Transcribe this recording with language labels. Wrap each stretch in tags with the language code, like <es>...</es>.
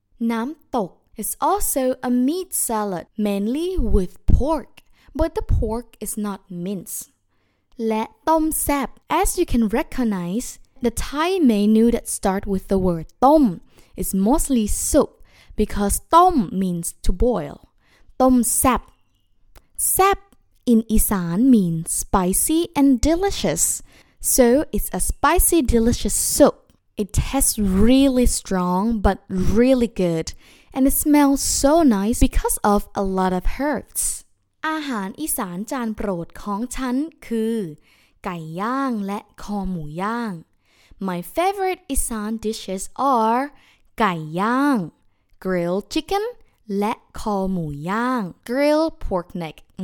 <en>น้ำตก is also a meat salad mainly with pork but the pork is not minced และต้มแซ่บ as you can recognize the Thai menu that start with the word ต้ม is mostly soup because ต้ม means to boil ต้มแซ่บแซ่บIn Isan means spicy and delicious, so it's a spicy delicious soup. It tastes really strong but really good, and it smells so nice because of a lot of herbs.</en> <th>อาหารอีสานจานโปรดของฉันคือไก่ย่างและคอหมูย่าง</th> <en>My favorite Isan dishes are ไก่ย่าง grilled chicken,และคอหมูย่าง grill pork neck</en>